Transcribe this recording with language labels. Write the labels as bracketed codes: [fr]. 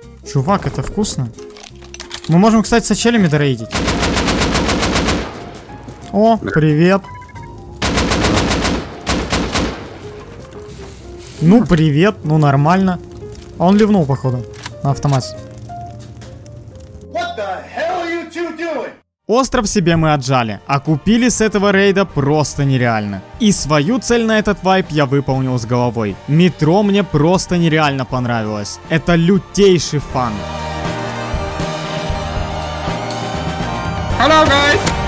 [ru] Чувак, это вкусно. Мы можем, кстати, с ачелями дорейдить. О, привет. Ну, привет, ну нормально. А он ливнул, походу, на автомате. [en] What the hell are you two doing? [ru] Остров себе мы отжали, а купили с этого рейда просто нереально. И свою цель на этот вайп я выполнил с головой. Метро мне просто нереально понравилось. Это лютейший фан. [en] Hello, guys!